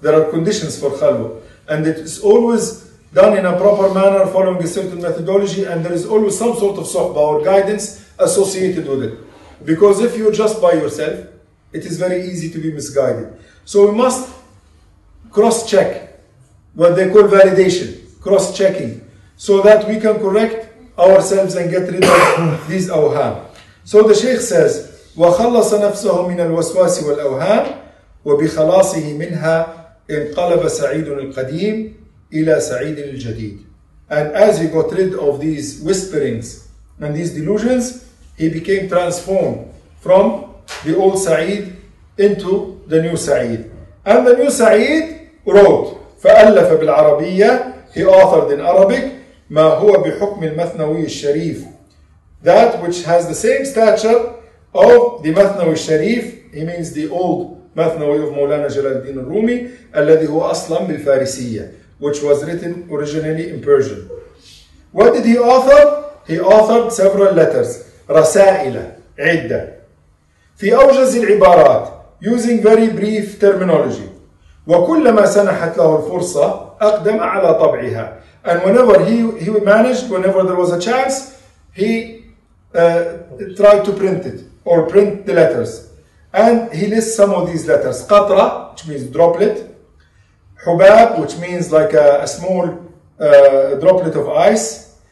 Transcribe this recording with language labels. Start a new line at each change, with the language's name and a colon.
English: There are conditions for khalwa. And it is always done in a proper manner, following a certain methodology, and there is always some sort of suhbah or guidance associated with it. Because if you're just by yourself, it is very easy to be misguided. So we must cross-check, what they call validation, cross-checking, so that we can correct ourselves and get rid of these awham. So the Shaykh says,
Arabic: وَخَلَّصَ نَفْسَهُ مِنَ الْوَسْوَاسِ وَالْأَوْهَامِ وبخلاصه منها انقلب سعيد القديم إلى سعيد الجديد.
English: And as he got rid of these whisperings and these delusions, he became transformed from the old Sa'id into the new Sa'id. And the new Sa'id wrote,
Arabic: فألف بالعربية,
English: he authored in Arabic,
Arabic: ما هو بحكم المثنوي الشريف.
English: That which has the same stature of the Mathnawi Sharif, he means the old Mathnawi of Mawlana Jalaluddin al-Rumi,
Arabic: الذي هو أصلاً بالفارسية,
English: which was written originally in Persian. What did he author? He authored several letters,
Arabic: رسائل عدة, في أوجز العبارات,
English: using very brief terminology.
Arabic: وكلما سنحت له الفرصة أقدم على طبعها.
English: And whenever he managed, whenever there was a chance, he tried to print it or print the letters. And he lists some of these letters. قطرة, which means droplet. حباب, which means like a small droplet of ice.